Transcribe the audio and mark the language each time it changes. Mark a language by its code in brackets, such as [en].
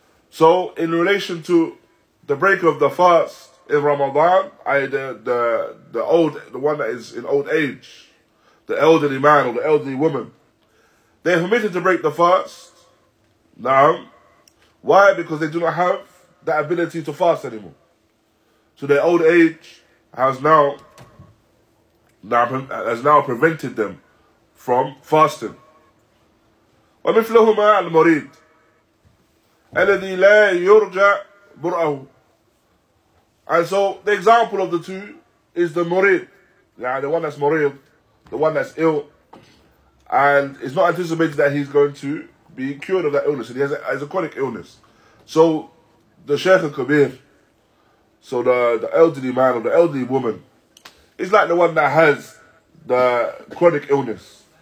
[en] So, in relation to the break of the fast in Ramadan, the one that is in old age, the elderly man or the elderly woman, they're permitted to break the fast. Now, why? Because they do not have the ability to fast anymore. So their old age has now prevented them from fasting. [ar] ومثلهما المريض الذي لا يرجع برأه. [en] And so the example of the two is the murid, the one that's ill, And it's not anticipated that he's going to be cured of that illness. And he has a chronic illness. So the Sheikh al-Kabir, so the elderly man or the elderly woman, is like the one that has the chronic illness.